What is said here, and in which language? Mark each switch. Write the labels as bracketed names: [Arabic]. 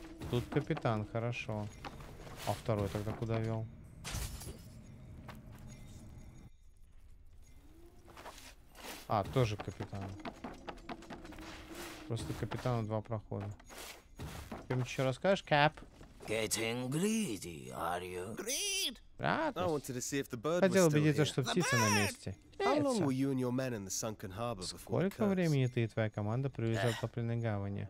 [Russian] Тут капитан, хорошо. А второй тогда куда вел? А, тоже капитан. Просто капитану два прохода. Ты мне еще расскажешь, Кэп? [English] Getting greedy, are you? Greed! [Russian] Радость. [English] I wanted to see if the bird [Russian] Хотел убедиться, [English] here. [Russian] Что птица на месте. [English] How long were you and your men in the sunken harbor before? [Russian] Сколько времени ты и твоя команда провели в топленной гавани?